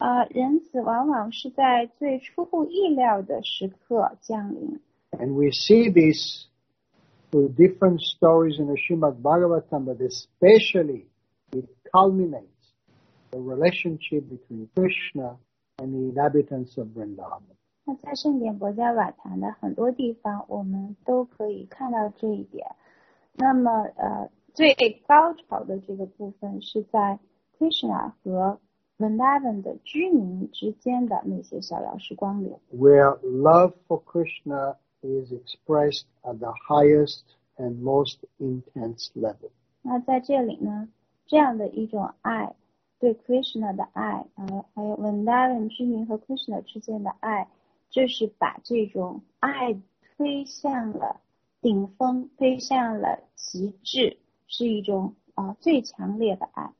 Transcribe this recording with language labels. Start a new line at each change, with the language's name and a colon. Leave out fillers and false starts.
Chinese: 仁慈往往是在最出乎意料的时刻降临。
English: And we see this through different stories in the Srimad Bhagavatam, but especially it culminates the relationship between Krishna. And the inhabitants of Vrindavan.
Chinese: 那在圣典薄伽瓦坛的很多地方，我们都可以看到这一点。那么，最高潮的这个部分是在 Krishna 和 Vrindavan 的居民之间的那些小聊时光里。
English: Where love for Krishna is expressed at the highest and most intense level.
Chinese: 那在这里呢，这样的一种爱。对 Krishna 的爱，还有 Vrindavan 居民和 Krishna 之间的爱，就是把这种爱推向了顶峰，推向了极致，是一种最强烈的爱。